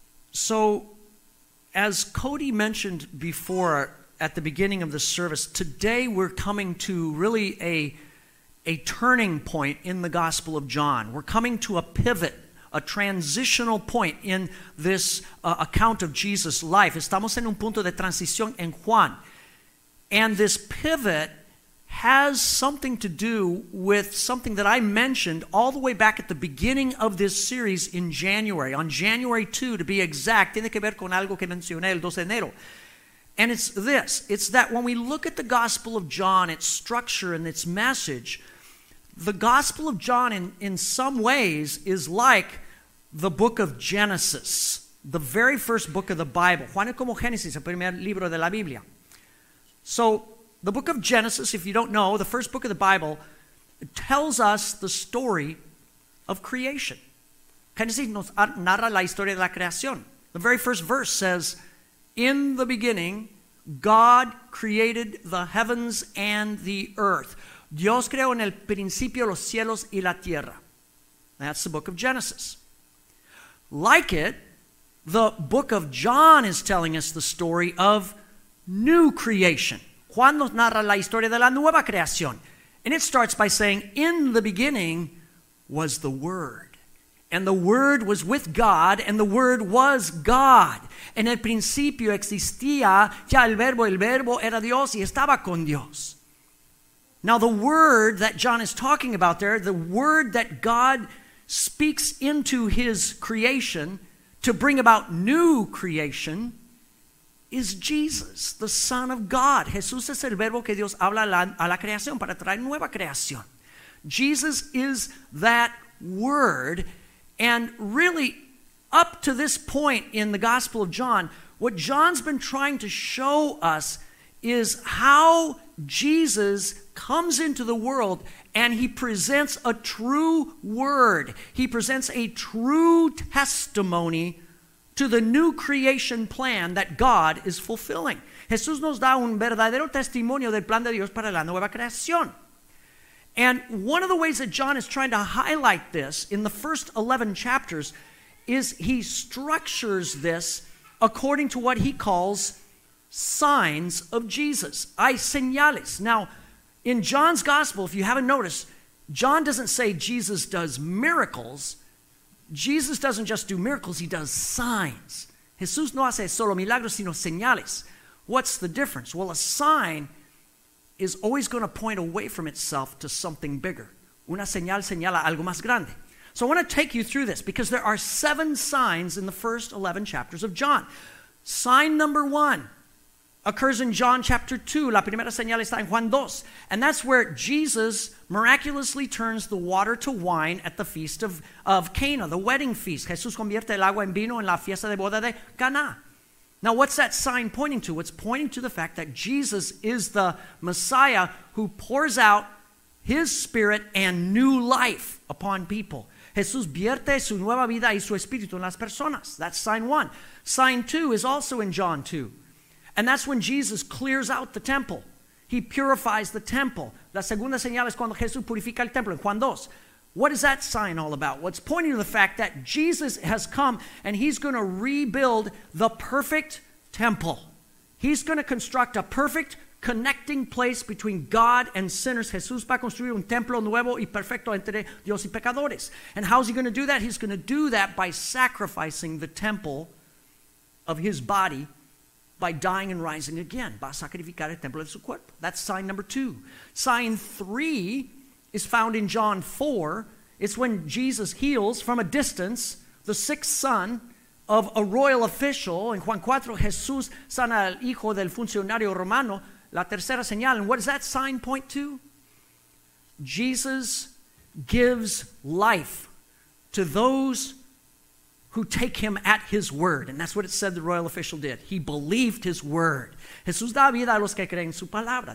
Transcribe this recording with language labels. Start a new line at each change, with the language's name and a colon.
English: So, as Cody mentioned before at the beginning of the service, today we're coming to really a turning point in the Gospel of John. We're coming to a pivot, a transitional point in this account of Jesus' life.
Spanish: Estamos en un punto de transición en Juan.
English: And this pivot has something to do with something that I mentioned all the way back at the beginning of this series in January, on January 2 to be exact.
Spanish: Tiene que ver con algo que mencioné el 12 de enero.
English: And it's this, it's that when we look at the Gospel of John, its structure and its message, the Gospel of John in some ways is like the book of Genesis, the very first book of the Bible.
Spanish: Juan es como Génesis, el primer libro de la Biblia.
English: So, the book of Genesis, if you don't know, the first book of the Bible, tells us the story of creation.
Spanish: Génesis nos narra la historia de la creación.
English: The very first verse says, in the beginning, God created the heavens and the earth.
Spanish: Dios creó en el principio los cielos y la tierra.
English: That's the book of Genesis. Like it, the book of John is telling us the story of new creation.
Spanish: Juan nos narra la historia de la nueva creación.
English: And it starts by saying, in the beginning was the Word. And the Word was with God, and the Word was God.
Spanish: En el principio existía ya el Verbo era Dios y estaba con Dios.
English: Now the word that John is talking about there, the word that God speaks into his creation to bring about new creation, is Jesus, the Son of God.
Spanish: Jesús es el verbo que Dios habla a la creación para traer nueva creación.
English: Jesus is that word. And really, up to this point in the Gospel of John, what John's been trying to show us is how Jesus comes into the world and he presents a true word. He presents a true testimony to the new creation plan that God is fulfilling.
Spanish: Jesús nos da un verdadero testimonio del plan de Dios para la nueva creación.
English: And one of the ways that John is trying to highlight this in the first 11 chapters is he structures this according to what he calls signs of Jesus.
Spanish: Hay señales.
English: Now, in John's gospel, if you haven't noticed, John doesn't say Jesus does miracles. Jesus doesn't just do miracles, he does signs.
Spanish: Jesús no hace solo milagros, sino señales.
English: What's the difference? Well, a sign is always going to point away from itself to something bigger.
Spanish: Una señal señala algo más grande.
English: So I want to take you through this because there are seven signs in the first 11 chapters of John. Sign number one occurs in John chapter 2.
Spanish: La primera señal está en Juan 2.
English: And that's where Jesus miraculously turns the water to wine at the feast of Cana, the wedding feast.
Spanish: Jesús convierte el agua en vino en la fiesta de boda de Cana.
English: Now, what's that sign pointing to? It's pointing to the fact that Jesus is the Messiah who pours out his spirit and new life upon people.
Spanish: Jesús vierte su nueva vida y su espíritu en las personas.
English: That's sign one. Sign two is also in John 2. And that's when Jesus clears out the temple. He purifies the temple.
Spanish: La segunda señal es cuando Jesús purifica el templo, en Juan 2.
English: What is that sign all about? What's pointing to the fact that Jesus has come and he's going to rebuild the perfect temple. He's going to construct a perfect connecting place between God and sinners.
Spanish: Jesús va a construir un templo nuevo y perfecto entre Dios y pecadores.
English: And how's he going to do that? He's going to do that by sacrificing the temple of his body, by dying and rising again.
Spanish: Va a sacrificar el templo de su cuerpo.
English: That's sign number two. Sign three is found in John 4. It's when Jesus heals from a distance the sick son of a royal official.
Spanish: In Juan 4, Jesús sana al hijo del funcionario romano. La tercera señal.
English: And what does that sign point to? Jesus gives life to those who take him at his word. And that's what it said the royal official did. He believed his word.
Spanish: Jesús da vida a los que creen su palabra.